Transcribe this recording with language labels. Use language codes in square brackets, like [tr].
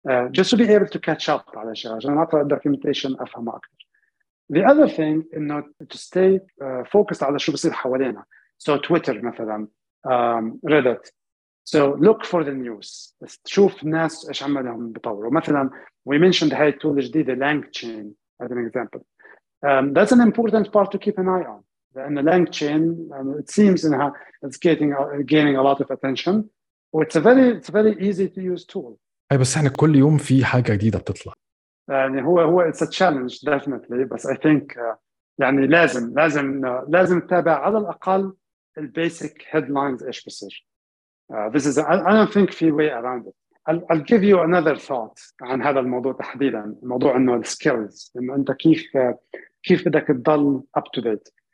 [en] Just to be able to catch up [ar] على شيء عشان أقرأ [en] documentation [ar] أفهم أكثر. [en] The other thing is not to stay focused [ar] على شو بصير حوالينا. [en] So Twitter مثلا, Reddit. So look for the news. [ar] شوف الناس إيش عملهم بطوروا. [en] مثلا we mentioned [ar] هاي التول الجديدة [en] LangChain as an example. That's an important part to keep an eye on. And the LangChain, it seems إنها it's gaining a lot of attention. Or it's a very easy to use tool. [ar] أي بس احنا كل يوم في حاجة جديدة بتطلع, يعني هو [en] it's a challenge definitely, [ar] بس [en] I think [ar] يعني لازم تتابع على الأقل ال [en] basic headlines [ar] إيش بصير. [en] This is I don't think في way around it. I'll give you another thought [ar] عن هذا الموضوع تحديدا, موضوع إنه skills, إنه أنت كيف بدك تضل [en] up to date.